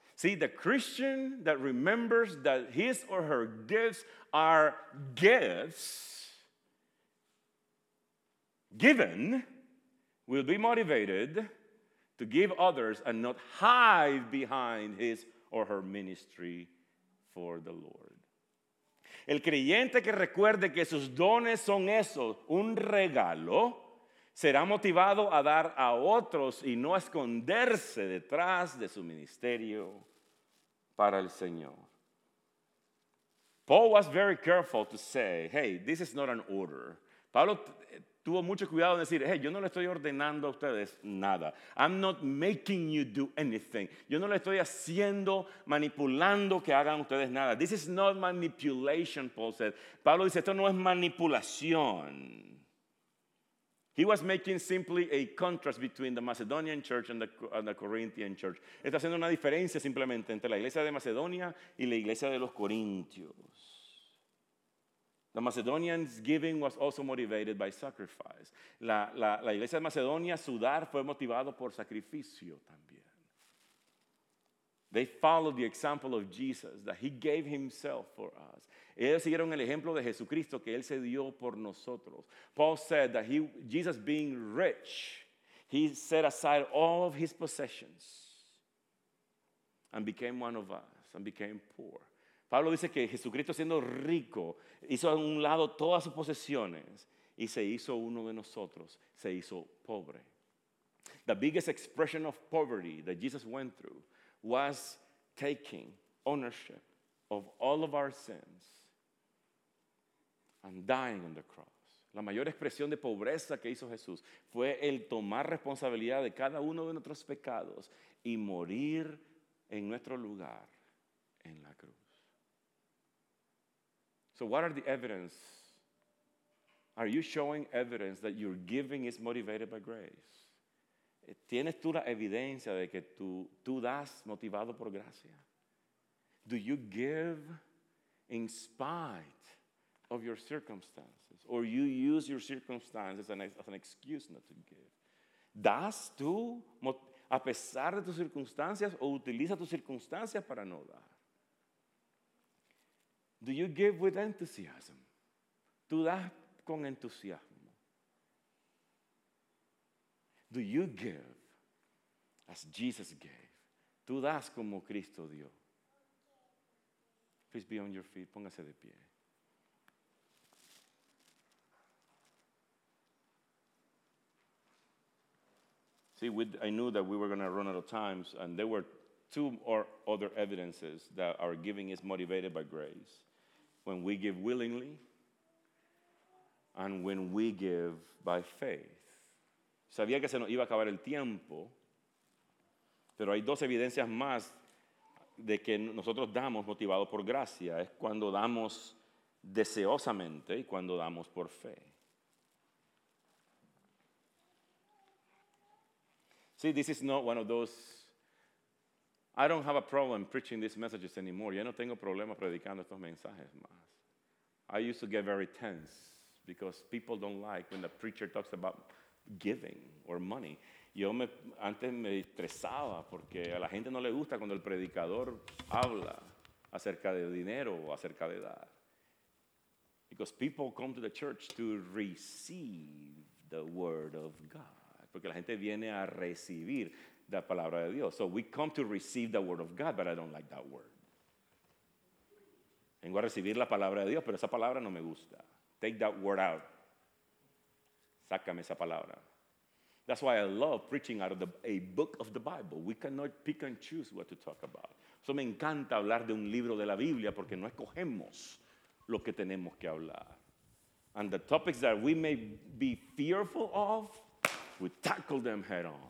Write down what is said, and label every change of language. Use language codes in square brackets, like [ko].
[en] See, the Christian that remembers that his or her gifts are gifts, given, will be motivated to give others and not hide behind his or her ministry for the Lord. [es] El creyente que recuerde que sus dones son eso, un regalo, será motivado a dar a otros y no a esconderse detrás de su ministerio para el Señor. [en] Paul was very careful to say, hey, this is not an order. [es] Pablo tuvo mucho cuidado en decir, hey, yo no le estoy ordenando a ustedes nada. [en] I'm not making you do anything. [es] Yo no le estoy haciendo, manipulando que hagan ustedes nada. [en] This is not manipulation, Paul said. [es] Pablo dice, esto no es manipulación. [en] He was making simply a contrast between the Macedonian church and the Corinthian church. [es] Está haciendo una diferencia simplemente entre la iglesia de Macedonia y la iglesia de los Corintios. [en] The Macedonians' giving was also motivated by sacrifice. [es] La iglesia de Macedonia, su dar fue motivado por sacrificio también. [en] They followed the example of Jesus, that he gave himself for us. [es] Ellos siguieron el ejemplo de Jesucristo, que él se dio por nosotros. [en] Paul said that Jesus being rich, he set aside all of his possessions and became one of us and became poor. [es] Pablo dice que Jesucristo siendo rico hizo a un lado todas sus posesiones y se hizo uno de nosotros, se hizo pobre. [en] The biggest expression of poverty that Jesus went through was taking ownership of all of our sins and dying on the cross. [es] La mayor expresión de pobreza que hizo Jesús fue el tomar responsabilidad de cada uno de nuestros pecados y morir en nuestro lugar en la cruz. [en] So what are the evidence? Are you showing evidence that your giving is motivated by grace? [es] ¿Tienes tú la evidencia de que tú das motivado por gracia? [en] Do you give in spite of your circumstances? Or you use your circumstances as an excuse not to give? [es] ¿Das tú a pesar de tus circunstancias o utilizas tus circunstancias para no dar? [en] Do you give with enthusiasm? [es] ¿Tú das con entusiasmo? [en] Do you give as Jesus gave? [es] ¿Tú das como Cristo dio? [en] Please be on your feet. [es] Póngase de pie. [en] See, I knew that we were going to run out of time, and there were two or other evidences that our giving is motivated by grace. When we give willingly, and when we give by faith. [es] Sabía que se nos iba a acabar el tiempo, pero hay dos evidencias más de que nosotros damos motivados por gracia. Es cuando damos deseosamente y cuando damos por fe. [en] See, this is not one of those. I don't have a problem preaching these messages anymore. [es] Ya no tengo problema predicando estos mensajes más. [en] I used to get very tense because people don't like when the preacher talks about giving or money. [es] Antes me estresaba porque a la gente no le gusta cuando el predicador habla acerca de dinero o acerca de dar. [en] Because people come to the church to receive the word of God. [es] Porque la gente viene a recibir la palabra de Dios. [en] So we come to receive the word of God, but I don't like that word. [es] Vengo a recibir la palabra de Dios, pero esa palabra no me gusta. [en] Take that word out. [es] Sácame esa palabra. [en] That's why I love preaching out of a book of the Bible. We cannot pick and choose what to talk about. [es] So me encanta hablar de un libro de la Biblia porque no escogemos lo que tenemos que hablar. [en] And the topics that we may be fearful of, we tackle them head on.